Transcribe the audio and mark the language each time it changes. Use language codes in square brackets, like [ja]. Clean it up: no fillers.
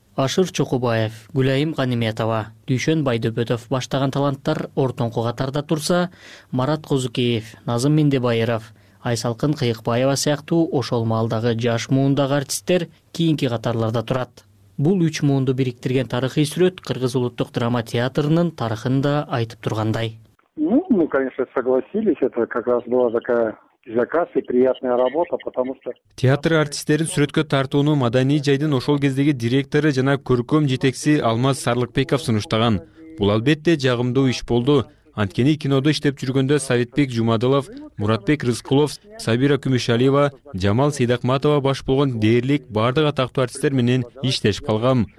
[ky] Ашыр Чокубаев, Гүлайым Ганиметова, Дүйшөн Байдөбөтов баштаган таланттар ортоңку катарда турса, Марат Козукеев, Назым Миндебайыров, Айсалкын Кыйыкбаева сыяктуу ошол маалдагы жаш муундагы артисттер кийинки катарларда турат. Бул үч муунду бириктирген тарыхый сүрөт Кыргыз улуттук драма театрынын тарыхын да айтып тургандай. [ru] Мы, конечно, согласились. Это как раз была такая заказ и приятная работа, потому что [ky] театр артисттерин сүрөткө тартууну маданий жайдын ошол кездеги директору жана көркөм жетекчиси Алмаз Сарлыкбеков сунуштаган. Бул албетте жагымдуу иш болду. Анткени кинодо иштеп жүргөндө Советбек Жумадылов, Муратбек Рыскулов, Сабира Күмүшалиева, Жамал Сейдахматова баш болгон дээрлик бардык атактуу артисттер менен иштешип калгам.